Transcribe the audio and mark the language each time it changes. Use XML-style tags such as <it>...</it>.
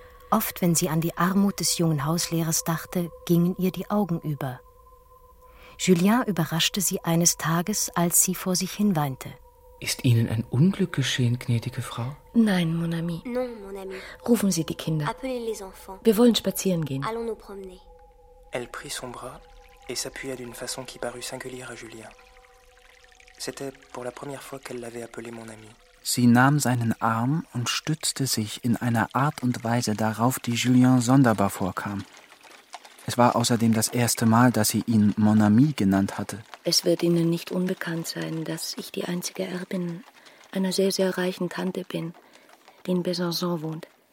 <de>Oft, wenn sie an die Armut des jungen Hauslehrers dachte, gingen ihr die Augen über. Julien überraschte sie eines Tages, als sie vor sich hin weinte. Ist Ihnen ein Unglück geschehen, gnädige Frau? Nein,</de> <fr>mon ami. Non, mon ami.</fr> <de>Rufen Sie die Kinder.</de> <fr>Appelez les enfants.</fr> <de>Wir wollen spazieren gehen.</de> <fr>Allons nous promener. Elle prit son bras et s'appuya d'une façon qui parut singulière à Julien. C'était pour la première fois qu'elle l'avait appelé mon ami.</fr> <de>Sie nahm seinen Arm und stützte sich in einer Art und Weise darauf, die Julien sonderbar vorkam. Es war außerdem das erste Mal, dass sie ihn</de> <fr>Mon ami</fr> <de>genannt hatte. Es wird Ihnen nicht unbekannt sein, dass ich die einzige Erbin einer sehr, sehr reichen Tante bin, die in Besançon wohnt.</de>